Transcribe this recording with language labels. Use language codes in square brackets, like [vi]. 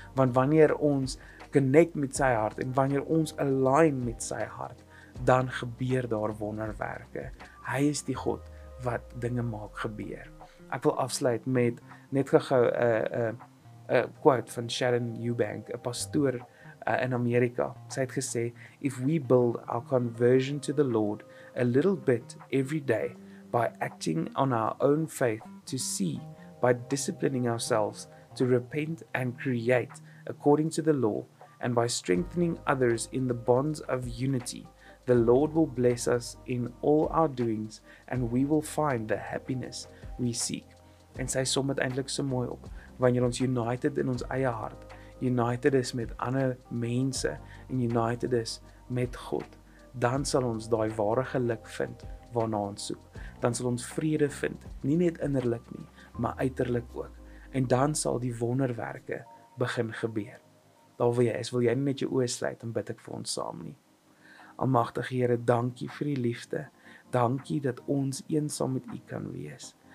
[af] Want wanneer ons connect met sy hart en wanneer ons align met sy hart, dan gebeur daar wonderwerke. Hy is die God wat dinge maak gebeur. Ek wil afsluit met net gegou 'n quote van Sharon Eubank, 'n pastoor in Amerika. Sy het gesê, [en] "If we build our conversion to the Lord a little bit every day by acting on our own faith to see, by disciplining ourselves to repent and create according to the law, and by strengthening others in the bonds of unity, the Lord will bless us in all our doings and we will find the happiness we seek." [af] En sy som het eintlik so mooi op, wanneer ons united in ons eie hart, united is met ander mense en united is met God, dan sal ons daai ware geluk vind waarna ons soek. Dan sal ons vrede vind, nie net innerlik nie, maar uiterlik ook. En dan sal die wonderwerke begin gebeur. Daar wil jy is, wil jy nie net jou oë sluit en bid ek vir ons saam nie. Almagtige Here, dankie vir die liefde. Dankie dat ons eensaam met U kan wees.